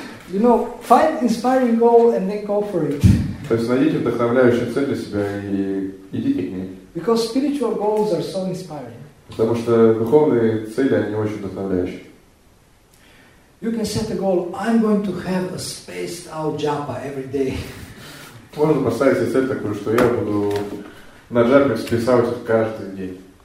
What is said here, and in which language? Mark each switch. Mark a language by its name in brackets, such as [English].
[English] You know, find inspiring goal and then go for it. [Russian] То есть найдите вдохновляющую цель для себя и идите к ней. [English] Because spiritual goals are so inspiring. [Russian] Потому что духовные цели, они очень вдохновляющие. [English] You can set a goal, I'm going to have a spaced out japa every day. [Russian] Можно поставить себе цель такую, что я буду на джапе списать каждый день.